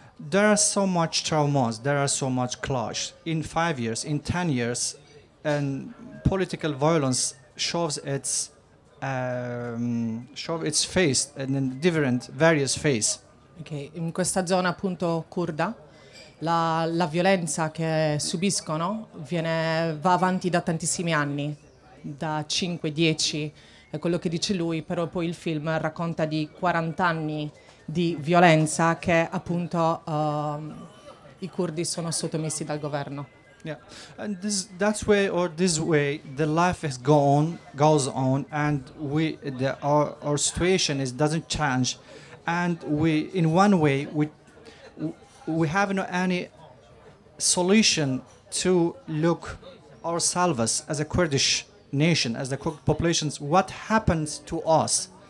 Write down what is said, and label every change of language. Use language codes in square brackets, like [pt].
[en] There are so much traumas, there are so much clash. In 5 years, in 10 years, and political violence shows its face and in different various face. [it] Okay, in questa zona appunto curda, la violenza che subiscono va avanti da tantissimi anni, da 5-10, è quello che dice lui, però poi il film racconta di 40 anni di violenza che appunto i curdi sono sottomessi dal governo. [en] Yeah, and this way the life has goes on and our situation doesn't change, and we have no any solution to look ourselves as a Kurdish nation, as the Kurd populations, what happens to us.